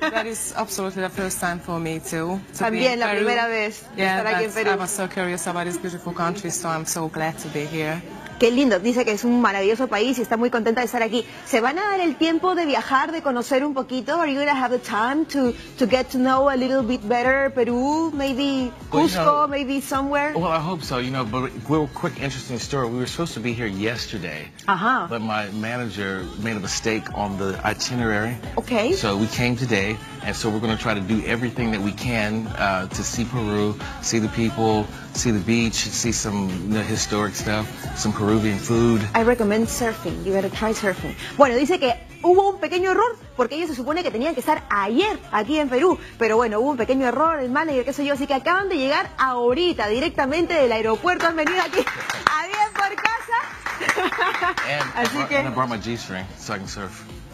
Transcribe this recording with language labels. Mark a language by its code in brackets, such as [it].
[en] That is absolutely the first time for me too. [es] También la primera vez estar aquí en Perú. [en] I was so curious about this beautiful country, so I'm so glad to be here. [es] Qué lindo, dice que es un maravilloso país y está muy contenta de estar aquí. ¿Se van a dar el tiempo de viajar, de conocer un poquito? [en] Are you going to have the time to get to know a little bit better Peru, maybe Cusco, well, you know, maybe somewhere? Well, I hope so, you know, but real quick, interesting story. We were supposed to be here yesterday, but my manager made a mistake on the itinerary. Okay. So we came today, and so we're going to try to do everything that we can to see Peru, see the people, see the beach, see some historic stuff, some Peruvian food. I recommend surfing. You gotta try surfing. [es] Bueno, dice que hubo un pequeño error porque ellos se supone que tenían que estar ayer aquí en Perú. Pero bueno, hubo un pequeño error, el manager, qué sé yo. Así que acaban de llegar ahorita, directamente del aeropuerto. Han venido aquí a Bien por Casa. [en] And I brought my G-string so I can surf.